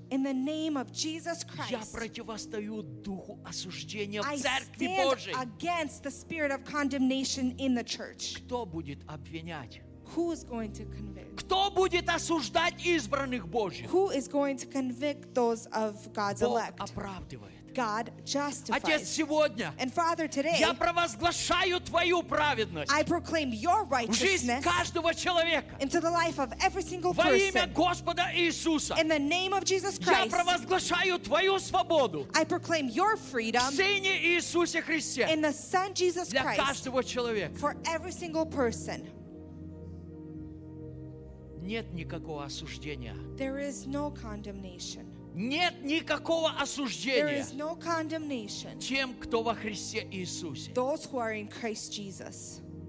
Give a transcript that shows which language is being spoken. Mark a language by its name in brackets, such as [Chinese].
[English] In the name of Jesus Christ. [Russian] Я противостою духу осуждения в [English] I [Russian] Церкви [English] stand [Russian] Божьей. [English] Against the spirit of condemnation in the church. [Russian] Кто будет обвинять? [English] Who is going to convict? [Russian] Кто будет осуждать избранных Божьих? [English] Who is going to convict those of God's [Russian] Бог [English] elect? [Russian] Оправдывает. [English] God justifies. [Russian] Отец, сегодня [English] and Father, today, [Russian] я провозглашаю твою праведность [English] I proclaim your righteousness [Russian] в жизнь каждого человека [English] into the life of every single [Russian] во [English] person [Russian] имя Господа Иисуса. [English] In the name of Jesus Christ, [Russian] я провозглашаю твою свободу [English] I proclaim your freedom [Russian] в Сыне Иисусе Христе [English] in the Son Jesus Christ [Russian] для каждого человека [English] for every single person. [Russian] Нет никакого осуждения. [English] There is no condemnation. [Russian] Нет никакого осуждения. [English] There is no condemnation. [Russian] Тем, кто во Христе Иисусе. [English] Those who are in Christ Jesus.